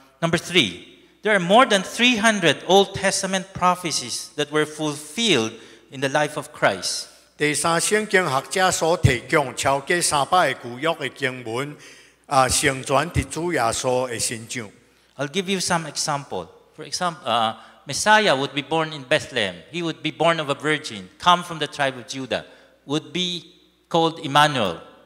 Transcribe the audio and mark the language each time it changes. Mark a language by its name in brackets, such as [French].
[English] Number 3, there are more than 300 Old Testament prophecies that were fulfilled in the life of Christ. [Min Nan Chinese] 第三圣经学者所提供超过300个旧约的经文 [English] I'll give you some example. For example, Messiah would be born in Bethlehem. He would be born of a virgin, come from the tribe of Judah, would be called Emmanuel.